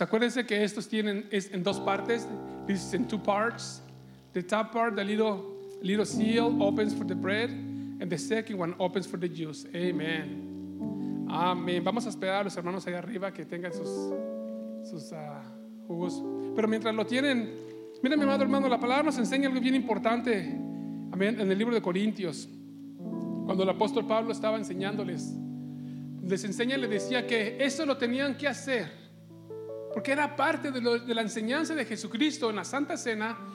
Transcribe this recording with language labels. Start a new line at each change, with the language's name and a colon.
Spanish: Acuérdense que estos tienen, es en dos partes.
English: This is in two parts. The top part, the little seal opens for the bread. And the second one opens for the juice. Amen. Amén.
Spanish: Vamos a esperar a los hermanos allá arriba que tengan sus jugos. Pero mientras lo tienen, mira, mi amado hermano, la palabra nos enseña algo bien importante. Amén. En el libro de Corintios, cuando el apóstol Pablo estaba enseñándoles, les enseña y les decía que eso lo tenían que hacer, porque era parte de la enseñanza de Jesucristo en la Santa Cena.